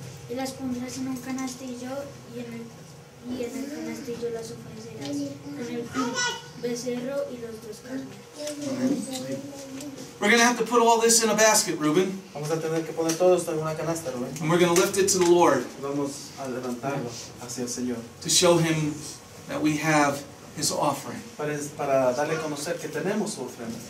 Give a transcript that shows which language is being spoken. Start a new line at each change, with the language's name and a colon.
Spanish: Y las pondrás en un canastillo y en el canastillo las ofrecerás con el becerro y los dos
English: carneros. We're going to have to put all this in a basket, Reuben.
Spanish: Vamos a tener que poner todo esto en una canasta, Reuben.
English: And we're going to lift it to the Lord.
Spanish: Vamos a levantarlo hacia el Señor.
English: To show him that we have his offering.
Spanish: Para darle a conocer que tenemos su ofrenda.